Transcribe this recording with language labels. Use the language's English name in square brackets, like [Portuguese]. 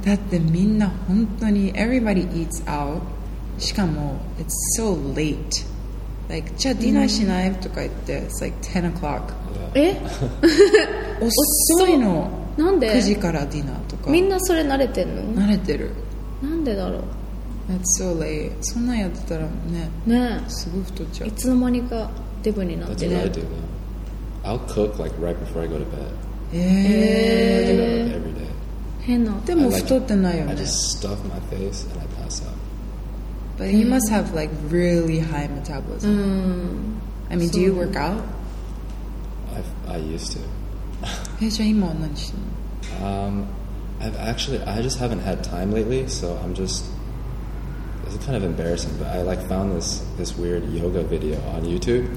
[Japanese] だってみんな本当に [English] everybody eats out [Japanese] しかも [English] it's so late like [Japanese] じゃあディナーしないとか言って [English] it's like 10 o'clock [Japanese] え遅いのなんで 9時からディナーとかみんなそれ慣れてんの慣れてるなんでだろう [English] it's so late [Japanese] そんなんやってたらねねすごい太っちゃういつの間にかデブになって [English] る that's what I do I'll cook like right before I go to bed I do that every day. [Japanese] 変な。でも太ってないよね。 [English] I just stuff my face and I pass out. But you must have like really high metabolism. I mean, do you work out? I used to. [Japanese] え、じゃあ今は何してんの? [English] I just haven't had time lately, so I'm just. It's kind of embarrassing, but I like found this weird yoga video on YouTube.